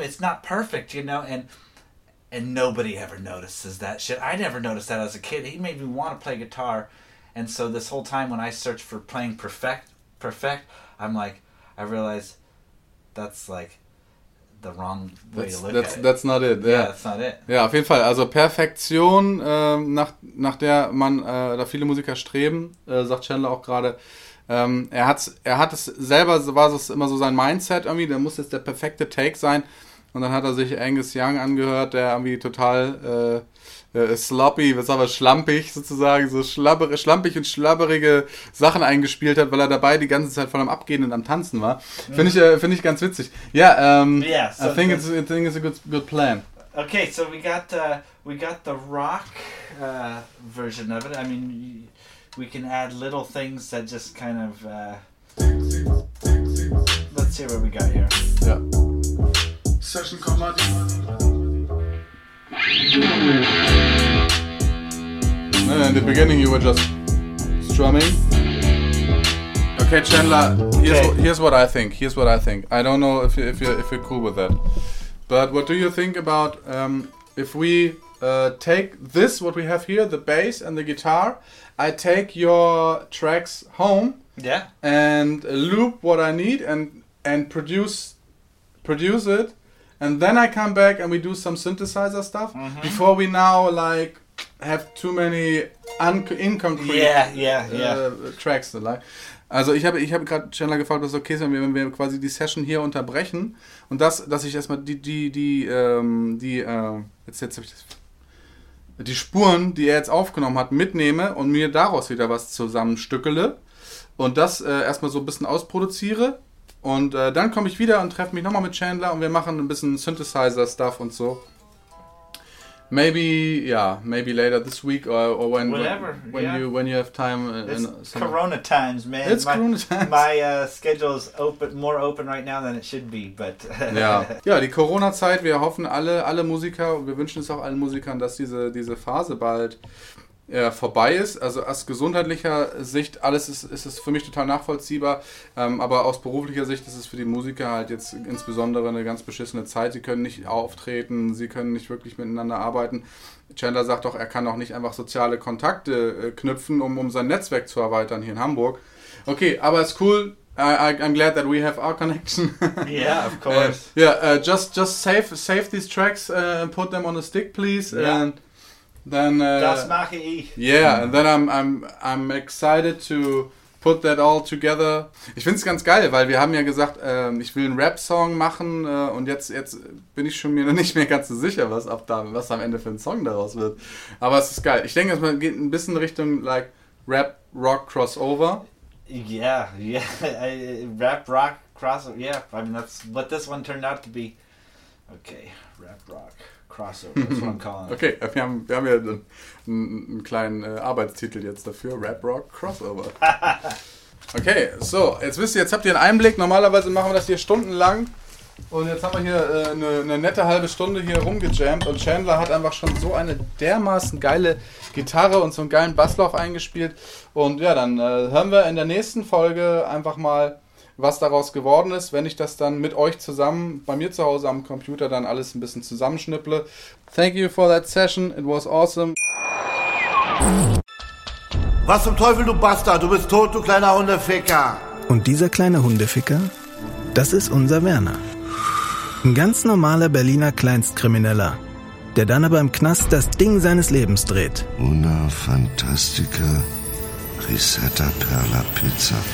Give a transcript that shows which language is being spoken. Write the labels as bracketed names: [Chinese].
[English] It's not perfect, you know. And nobody ever notices that shit. I never noticed that as a kid. He made me want to play guitar. And so this whole time, when I search for playing perfect, I'm like, I realize that's like the wrong way to look at it. That's not it. Yeah, that's not it. [German] Ja, auf jeden Fall. Also Perfektion, nach der man oder viele Musiker streben, sagt Chandler auch gerade. Er hat es selber, war es immer so sein Mindset irgendwie, der muss jetzt der perfekte Take sein. Und dann hat er sich Angus Young angehört, der irgendwie total sloppy, was aber schlampig sozusagen, so schlampig und schlabberige Sachen eingespielt hat, weil er dabei die ganze Zeit voll am Abgehen und am Tanzen war. Finde ich ganz witzig. Ja, [English] yeah, so I think it's a good plan. Okay, so we got the rock version of it. I mean, we can add little things that just kind of... Let's see what we got here. Yeah. Session Comedy. No, in the beginning you were just strumming. Okay, Chandler, here's what I think. I don't know if you're cool with that. But what do you think about if we take this, what we have here, the bass and the guitar, I take your tracks home, yeah, and loop what I need and produce it. And then I come back and we do some synthesizer stuff, mm-hmm, before we now like have too many inconcrete tracks. [German] Also ich hab gerade Chandler gefragt, was okay ist, wenn wir quasi die Session hier unterbrechen und dass ich erstmal die Spuren, die er jetzt aufgenommen hat, mitnehme und mir daraus wieder was zusammenstückele und das erstmal so ein bisschen ausproduziere. Und dann komme ich wieder und treffe mich nochmal mit Chandler und wir machen ein bisschen Synthesizer-Stuff und so. [English] Maybe later this week or when... Whatever, When you have time. It's Corona times, man. It's Corona times. My schedule is more open right now than it should be, but... [German] Ja, die Corona-Zeit, wir hoffen alle Musiker, wir wünschen es auch allen Musikern, dass diese Phase bald... vorbei ist. Also aus gesundheitlicher Sicht alles ist es für mich total nachvollziehbar, aber aus beruflicher Sicht ist es für die Musiker halt jetzt insbesondere eine ganz beschissene Zeit. Sie können nicht auftreten, sie können nicht wirklich miteinander arbeiten. Chandler sagt doch, er kann auch nicht einfach soziale Kontakte knüpfen, um sein Netzwerk zu erweitern hier in Hamburg. Okay, aber ist cool. [English] I'm glad that we have our connection. Yeah, of course. Yeah, just save these tracks and put them on a stick, please. Yeah. And then [German] das mache ich. [English] Yeah, and then I'm excited to put that all together. [German] Ich find's ganz geil, weil wir haben ja gesagt, ich will einen Rap-Song machen und jetzt bin ich schon mir noch nicht mehr ganz so sicher, was am Ende für ein Song daraus wird. Aber es ist geil. Ich denke, es geht ein bisschen Richtung like Rap-Rock-Crossover. [English] Yeah, Rap-Rock-Crossover. Yeah, I mean, that's what this one turned out to be. Okay, Rap-Rock-Crossover. Crossover, that's what I'm calling. [German] Okay, wir haben ja einen kleinen Arbeitstitel jetzt dafür, Rap Rock Crossover. Okay, so, jetzt wisst ihr, jetzt habt ihr einen Einblick, normalerweise machen wir das hier stundenlang und jetzt haben wir hier eine nette halbe Stunde hier rumgejammt und Chandler hat einfach schon so eine dermaßen geile Gitarre und so einen geilen Basslauf eingespielt und ja, dann hören wir in der nächsten Folge einfach mal, was daraus geworden ist, wenn ich das dann mit euch zusammen, bei mir zu Hause am Computer, dann alles ein bisschen zusammenschnipple. [English] Thank you for that session, it was awesome. [German] Was zum Teufel, du Bastard, du bist tot, du kleiner Hundeficker. Und dieser kleine Hundeficker, das ist unser Werner. Ein ganz normaler Berliner Kleinstkrimineller, der dann aber im Knast das Ding seines Lebens dreht. Una Fantastica. Risetta Perla Pizza.